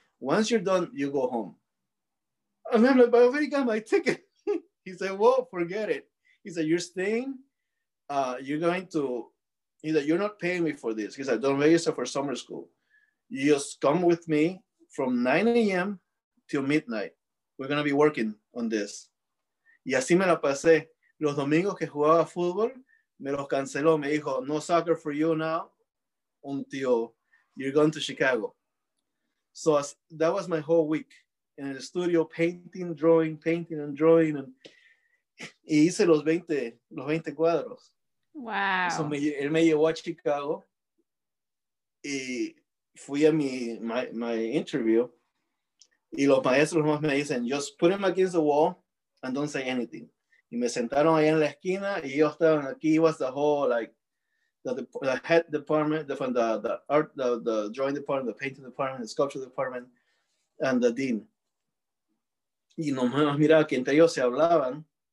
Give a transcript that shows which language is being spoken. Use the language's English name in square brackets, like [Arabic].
[English] Once you're done, you go home. And I'm like, but I already got my ticket. He said, well, forget it. He said, you're staying. You're not paying me for this. He said, don't register for summer school. You just come with me from 9 a.m. till midnight. We're going to be working on this. [Spanish] Y así me la pasé. Los domingos que jugaba fútbol, me los canceló. Me dijo, [English] no soccer for you now until you're going to Chicago. So that was my whole week in the studio, painting and drawing. [Spanish] Y hice los 20 cuadros. Wow. So él me llevó a Chicago y fui a [English] my interview. [Spanish] Y los maestros me dicen, [English] just put him against the wall and don't say anything. [Spanish] Y me sentaron ahí en la esquina y yo estaba aquí. [English] It was the whole, like, the head department, the art, the drawing department, the painting department, the sculpture department, and the dean. [Spanish] Y nomás miraba que entre ellos se hablaban.